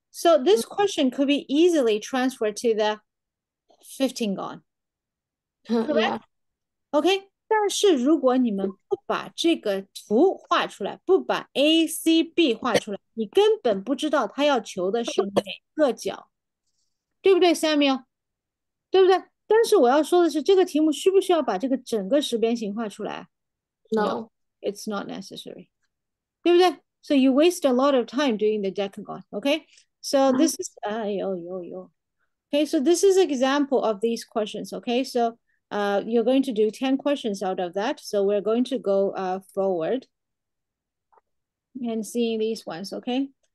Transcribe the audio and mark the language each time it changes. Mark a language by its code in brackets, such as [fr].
[en] So this question could be easily transferred to the 15-gon. Correct. Yeah. Okay. [zh] 但是如果你们不把这个图画出来，不把 A C B 画出来，你根本不知道它要求的是哪个角，对不对 ，Samuel？对不对？但是我要说的是，这个题目需不需要把这个整个十边形画出来 [en] ？No, it's not necessary. [zh] 对不对 [en] ？So you waste a lot of time doing the decagon. Okay, So this is okay, so this is an example of these questions. Okay, so you're going to do 10 questions out of that. So we're going to go forward and seeing these ones, okay?